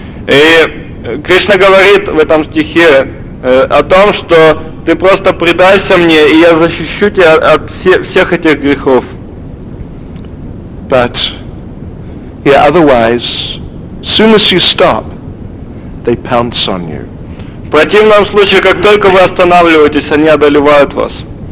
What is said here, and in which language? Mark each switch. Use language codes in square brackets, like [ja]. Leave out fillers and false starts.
[ru] И Кришна говорит в этом стихе о том, что ты просто предайся мне, и я защищу тебя от всех этих грехов. [en] But yeah, otherwise, soon as you stop, they pounce on you. [ru] В противном случае, как только вы останавливаетесь, они одолевают вас.